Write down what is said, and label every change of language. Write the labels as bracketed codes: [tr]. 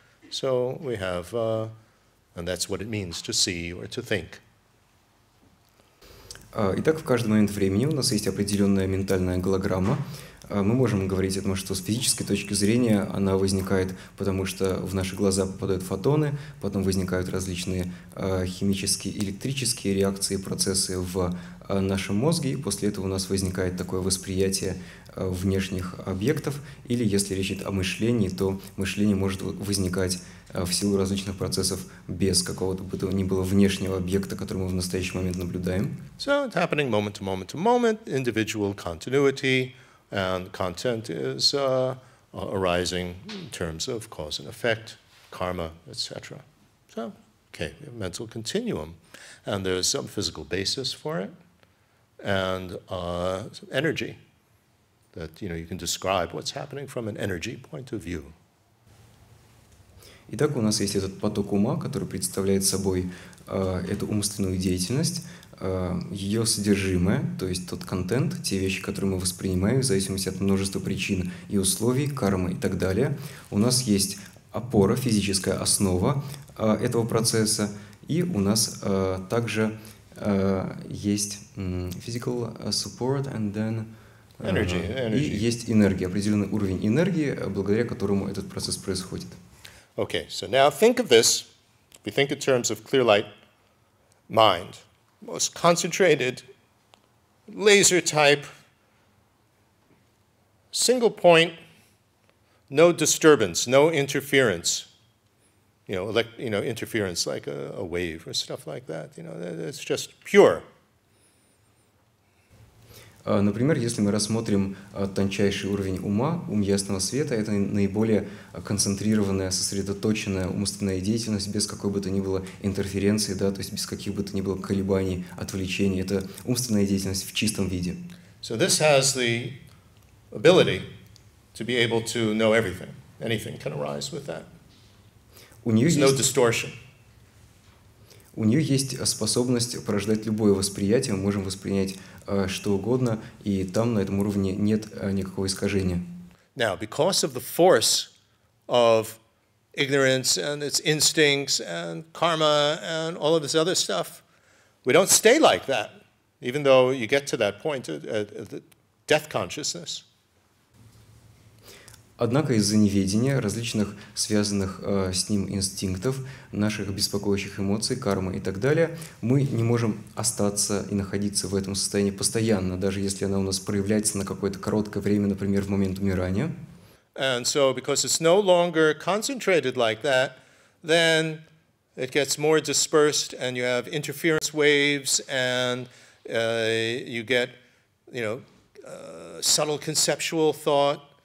[en] So we have, and that's what it means to see or to think. [ru] Итак, в каждый момент времени у нас есть определенная ментальная голограмма. Мы можем говорить о том, что с физической точки зрения она возникает, потому что в наши глаза попадают фотоны, потом возникают различные химические, электрические реакции, процессы в нашем мозге, и после этого у нас возникает такое восприятие внешних объектов, или если речь идет о мышлении, то мышление может возникать в силу различных процессов без какого-то бы то ни было внешнего объекта, который мы в настоящий момент наблюдаем. [en] So it's happening moment to moment to moment, individual continuity, and content is arising in terms of cause and effect, karma, etc. So, okay, we have mental continuum, and there's some physical basis for it, and some energy. That, you know, you can describe what's happening from an energy point of view. [ru] Итак, у нас есть этот поток ума, который представляет собой эту умственную деятельность, ее содержимое, то есть тот контент, те вещи, которые мы воспринимаем в зависимости от множества причин и условий, кармы и так далее. У нас есть опора, физическая основа этого процесса, и у нас также есть [en] physical support and then... Energy, energy. [ru] И есть энергия, определенный уровень энергии, благодаря которому этот процесс происходит. [en] Okay, so now think of this. If we think in terms of clear light, mind. most concentrated laser type, single point, no disturbance, no interference. Interference like a wave or stuff like that. It's just pure. [ru] Например, если мы рассмотрим тончайший уровень ума, ум ясного света, это наиболее концентрированная, сосредоточенная умственная деятельность без какой бы то ни было интерференции, да, то есть без каких бы то ни было колебаний, отвлечений. Это умственная деятельность в чистом виде. [en] So this has the ability to be able to know everything. Anything can arise with that. No distortion. [ru] У нее есть способность порождать любое восприятие, мы можем воспринять что угодно, и там на этом уровне нет никакого искажения. [en] Now, because of the force of ignorance and its instincts and karma and all of this other stuff, we don't stay like that, even though you get to that point of the death consciousness. [ru] Однако из-за неведения, различных связанных с ним инстинктов, наших беспокоящих эмоций, кармы и так далее, мы не можем остаться и находиться в этом состоянии постоянно, даже если она у нас проявляется на какое-то короткое время, например, в момент умирания. [en] And so, because it's no longer concentrated like that, then it gets more dispersed, and you have interference waves, and you get, subtle conceptual thought.